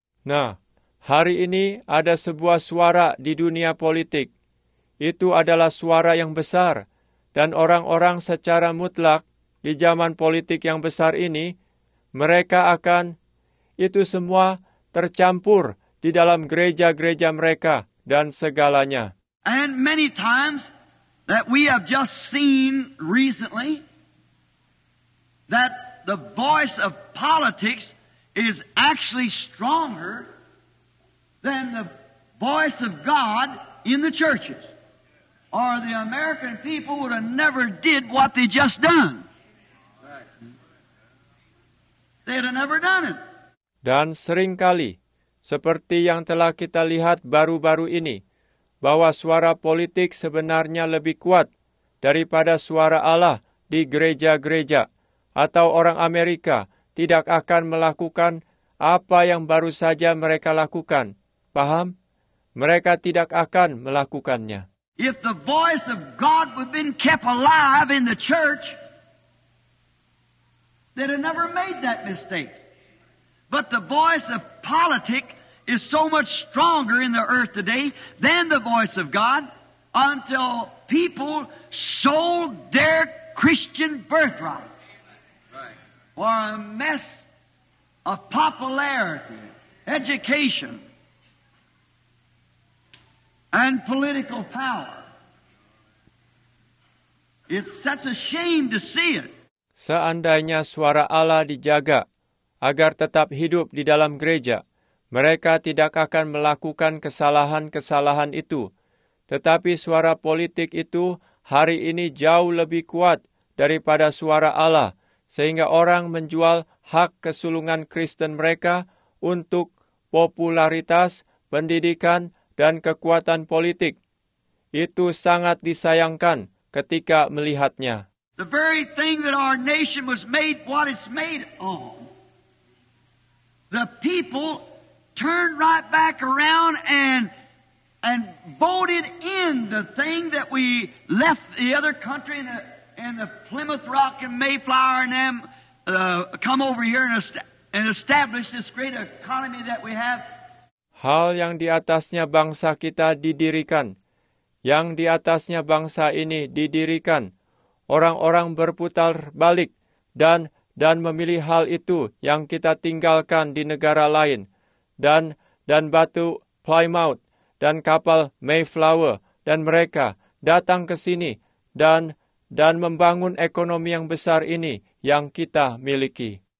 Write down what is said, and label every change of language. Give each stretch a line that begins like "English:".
Indonesian: Nah, hari ini ada sebuah suara di dunia politik. Itu adalah suara yang besar. Dan orang-orang secara mutlak di zaman politik yang besar ini, mereka akan itu semua tercampur di dalam gereja-gereja mereka dan segalanya.
English: And many times that we have just seen recently that the voice of politics is actually stronger than the voice of God in the churches. Or the American people would have never did what they just done. They'd have never done it.
Indonesian: Dan seringkali, seperti yang telah kita lihat baru-baru ini, bahwa suara politik sebenarnya lebih kuat daripada suara Allah di gereja-gereja, atau orang Amerika tidak akan melakukan apa yang baru saja mereka lakukan. Paham? Mereka tidak akan melakukannya.
English: If the voice of God would have been kept alive in the church, they'd have never made that mistake. But the voice of politics is so much stronger in the earth today than the voice of God until people sold their Christian birthright for a mess of popularity, education, and political power. It's such a shame to see it.
Indonesian: Seandainya suara Allah dijaga agar tetap hidup di dalam gereja, mereka tidak akan melakukan kesalahan-kesalahan itu. Tetapi suara politik itu hari ini jauh lebih kuat daripada suara Allah, sehingga orang menjual hak kesulungan Kristen mereka untuk popularitas, pendidikan, dan kekuatan politik. Itu sangat disayangkan ketika melihatnya.
English: The very thing that our nation was made what it's made on. The people turned right back around and voted in the thing that we left the other country and the Plymouth Rock and Mayflower and them come over here and establish this great economy that we have.
Indonesian: Hal yang di atasnya bangsa kita didirikan. Yang di atasnya bangsa ini didirikan. Orang-orang berputar balik dan memilih hal itu yang kita tinggalkan di negara lain. Dan batu Plymouth dan kapal Mayflower dan mereka datang ke sini dan membangun ekonomi yang besar ini yang kita miliki.